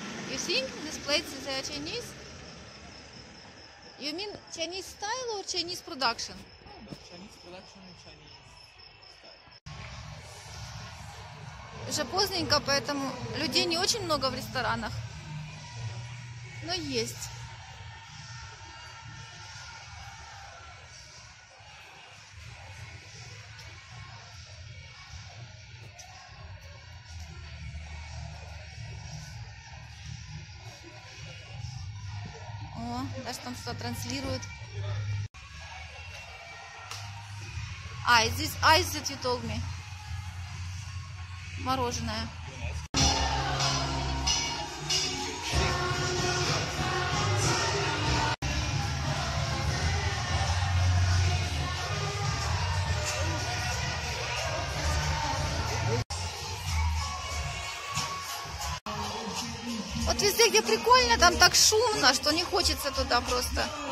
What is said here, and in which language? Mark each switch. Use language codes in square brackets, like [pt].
[en] You think this place is a Chinese? You mean Chinese style or Chinese production? Chinese production and Chinese style. [ru] Уже поздненько, поэтому людей не очень много в ресторанах. Но есть. Даже там что-то транслируют. [en] Ice, this ice that you told me. [ru] Мороженое. Вот везде, где прикольно, там так шумно, что не хочется туда просто.